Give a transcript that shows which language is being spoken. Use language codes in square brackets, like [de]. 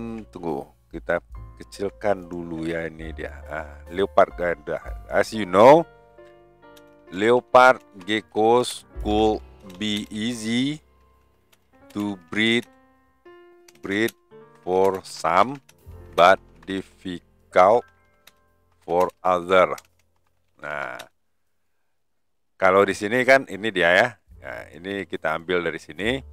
[id] Tunggu, kita kecilkan dulu ya ini dia. Ah, leopard ganda. [en] As you know, leopard geckos could be easy to breed for some, but difficult for other. [id] Nah, kalau di sini kan ini dia ya. Nah, ini kita ambil dari sini.